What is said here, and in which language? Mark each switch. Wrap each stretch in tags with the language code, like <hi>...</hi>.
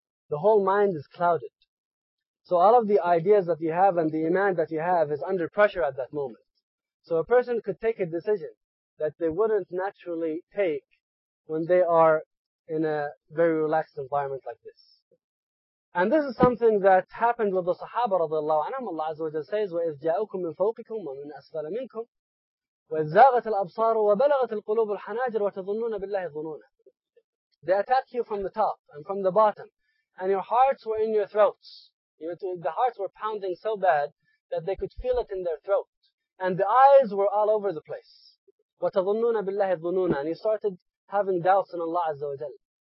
<en>The whole mind is clouded. So all of the ideas that you have and the iman that you have is under pressure at that moment. So a person could take a decision that they wouldn't naturally take when they are in a very relaxed environment like this. And this is something that happened with the Sahaba radiallahu anhum. Allah Azza wa Jalla says,</en> <ar>وَإِذْ جَاءُكُمْ مِنْ فَوْقِكُمْ وَمِنْ أَسْفَلَ مِنْكُمْ وَإِذْ زَاغَتِ الْأَبْصَارُ وَبَلَغَتِ الْقُلُوبُ الْحَنَاجِرُ وَتَظُنُّونَ بِاللَّهِ ظُنُونَ.</ar> <en>They attack you from the top and from the bottom, and your hearts were in your throats. The hearts were pounding so bad that they could feel it in their throat, and the eyes were all over the place.</en> <ar>وَتَظُنُّونَ بِاللَّهِ ظُنُونَ.</ar> <en>And you started having doubts in Allah Azza wa Jalla.</en>